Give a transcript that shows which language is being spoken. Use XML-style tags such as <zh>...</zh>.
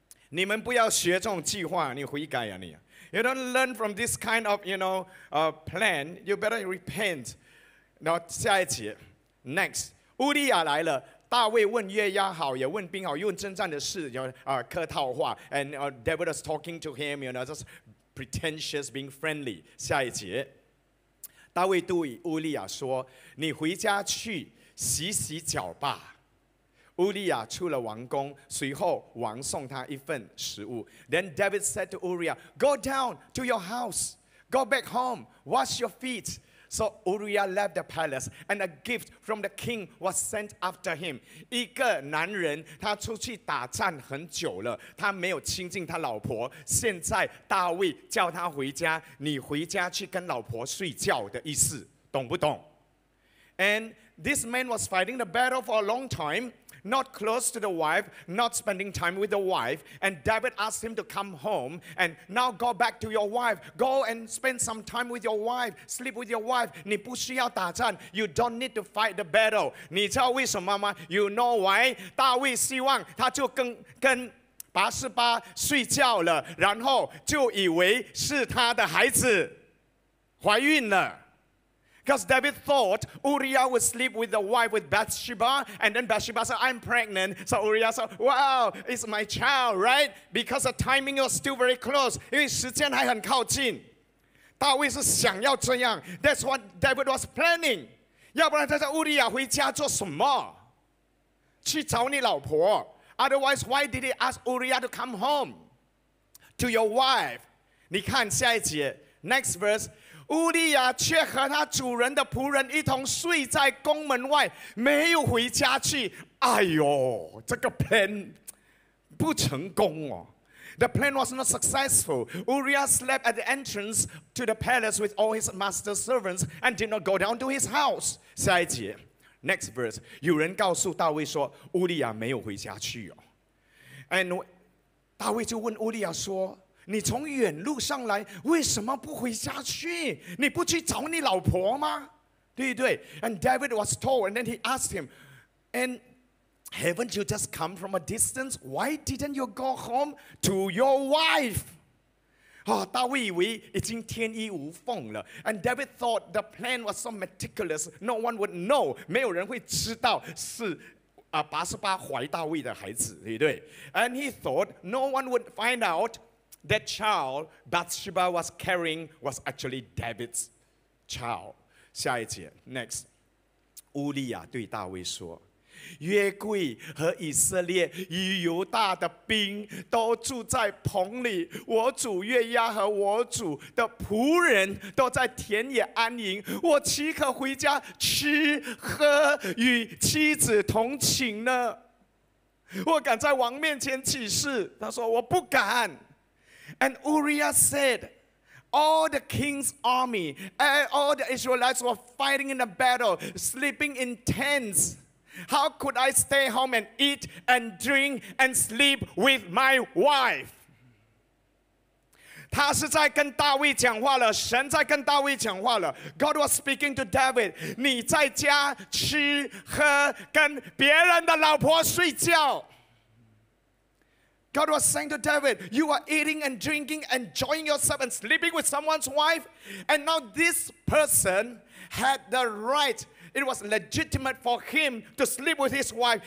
<zh>你们不要学这种计划，你悔改啊你。</zh> <en>You don't learn from this kind of, you know, plan. You better repent.</en> <zh>然后下一节</zh> <en>，Next，</en> <zh>乌利亚来了。大卫问约押好，也问兵好，又问征战的事，有客套话。</zh> <en>And David was talking to him, you know, just pretentious, being friendly.</en> <zh>下一节，大卫对乌利亚说：“你回家去洗洗脚吧。” 乌利亚出了王宫，随后王送他一份食物。</zh> <en>Then David said to Uriah, "Go down to your house, go back home, wash your feet." So Uriah left the palace, and a gift from the king was sent after him.</en> <zh>一个男人，他出去打战很久了，他没有亲近他老婆。现在大卫叫他回家，你回家去跟老婆睡觉的意思，懂不懂？</zh> <en>And this man was fighting the battle for a long time. Not close to the wife, not spending time with the wife. And David asked him to come home and now go back to your wife. Go and spend some time with your wife, sleep with your wife.</en> <zh>你不需要打战，</zh> <en>you don't need to fight the battle.</en> <zh>你知道为什么吗？</zh> <en>You know why?</en> <zh>大卫希望他就跟拔示巴睡觉了，然后就以为是他的孩子怀孕了。</zh> <en>Because David thought Uriah would sleep with the wife with Bathsheba, and then Bathsheba said, "I'm pregnant." So Uriah said, "Wow, it's my child, right?" Because the timing was still very close.</en> <zh>因为时间还很靠近，大卫是想要这样。</zh> <en>That's what David was planning.</en> <zh>要不然他叫 Uriah 回家做什么？去找你老婆。</zh> <en>Otherwise, why did he ask Uriah to come home to your wife?</en> <zh>你看下一节 ，</zh> <en>next verse.</en> <zh>乌利亚却和他主人的仆人一同睡在宫门外，没有回家去。哎呦，这个 plan 不成功哦。</zh> <en>The plan was not successful. Uriah slept at the entrance to the palace with all his master's servants and did not go down to his house.</en> <zh>下一节 ，</zh> <en>next verse，</en> <zh>有人告诉大卫说乌利亚没有回家去哦。 And 大卫就问乌利亚说。你从远路上来，为什么不回家去？你不去找你老婆吗？对不对 ？</zh> <en>And David was told, and then he asked him, "And haven't you just come from a distance? Why didn't you go home to your wife?"</en> <zh>啊，大卫以为已经天衣无缝了。</zh> <en>And David thought the plan was so meticulous, no one would know.</en> <zh>没有人会知道是。拔示巴怀大卫的孩子，对不对 ？</zh> <en>And he thought no one would find out. That child Bathsheba was carrying was actually David's child.</en> <zh>下一节 next. 乌利亚对大卫说，约柜和以色列与犹大的兵都住在棚里，我主约押和我主的仆人都在田野安营，我岂可回家吃喝与妻子同寝呢？我敢在王面前起誓，他说我不敢。</zh> <en>And Uriah said, "All the king's army, all the Israelites were fighting in the battle, sleeping in tents. How could I stay home and eat and drink and sleep with my wife?"</en> <zh>他是在跟大卫讲话了，神在跟大卫讲话了。</zh> <en>God was speaking to David.</en> <zh>你在家吃喝，跟别人的老婆睡觉。</zh> <en>God was saying to David, "You are eating and drinking, enjoying yourself, and sleeping with someone's wife. And now this person had the right. It was legitimate for him to sleep with his wife.</en>